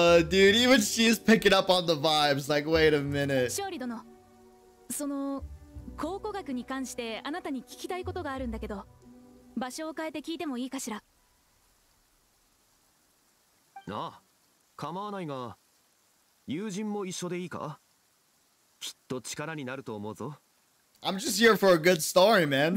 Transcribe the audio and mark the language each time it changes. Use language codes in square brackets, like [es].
[en] Dude, even she's picking up on the vibes. Like, wait a minute. [ja] 勝利殿、その考古学に関してあなたに聞きたいことがあるんだけど、場所を変えて聞いてもいいかしら。なあ、構わないが、友人も一緒でいいか。きっと力になると思うぞ。 [en] I'm just here for a good story, man.